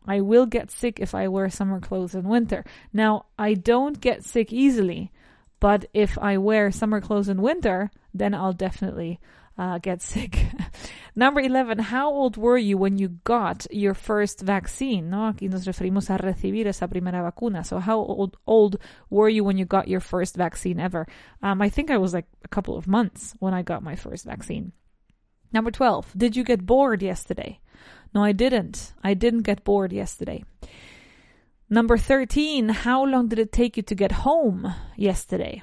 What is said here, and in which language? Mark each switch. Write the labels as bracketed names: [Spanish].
[English] I will get sick if I wear summer clothes in winter. Now, I don't get sick easily, but if I wear summer clothes in winter, then I'll definitely get sick. Number 11, how old were you when you got your first vaccine? [Spanish] No, aquí nos referimos a recibir esa primera vacuna. [English] So how old were you when you got your first vaccine ever? I think I was like a couple of months when I got my first vaccine. Number 12, did you get bored yesterday? No, I didn't. I didn't get bored yesterday. Number 13, how long did it take you to get home yesterday?